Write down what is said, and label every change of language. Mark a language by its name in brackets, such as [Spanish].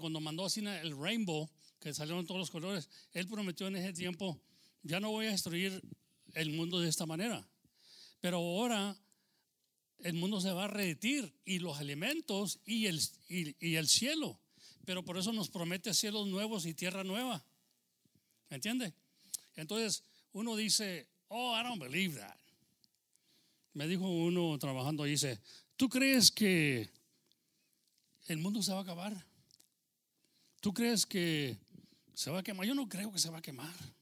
[Spanish] Cuando mandó así el rainbow, que salieron todos los colores, Él prometió en ese tiempo, ya no voy a destruir el mundo de esta manera. Pero ahora el mundo se va a redimir y los alimentos y el cielo. Pero por eso nos promete cielos nuevos y tierra nueva. ¿Me entiende? Entonces uno dice, [English] oh, I don't believe that. [Spanish] Me dijo uno trabajando ahí, dice, ¿tú crees que el mundo se va a acabar? ¿Tú crees que se va a quemar? Yo no creo que se va a quemar.